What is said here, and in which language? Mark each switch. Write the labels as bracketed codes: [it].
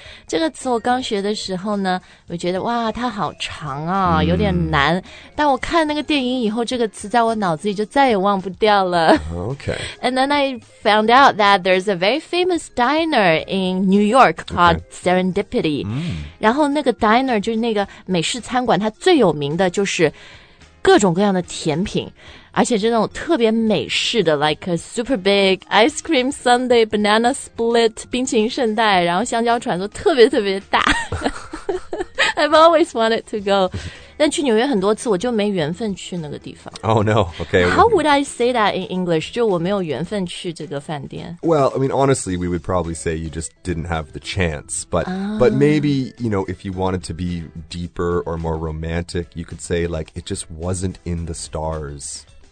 [zh] 这个词我刚学的时候呢我觉得哇它好长啊、mm. 有点难。但我看那个电影以后这个词在我脑子里就再也忘不掉了。 [en] Okay. And then I found out that there's a very famous diner in New York called、okay. Serendipity.、Mm. [zh] 然后那个 diner 就是那个美式餐馆它最有名的就是各种各样的甜品。而且这种特别美式的 [en] like a super big ice cream sundae banana split [zh] 冰淇淋圣代然后香蕉船都特别特别大 [en] I've always wanted to go [zh] 但去纽约很多次我就没缘分去那个地方 [en] Oh no, okay How would I say that in English? [zh] 就我没有缘分去这个饭店 [en] Well, I mean, honestly, we would probably say you just didn't have the chance but,、but maybe, you know, if you wanted to be deeper or more romantic you could say like it just wasn't in the stars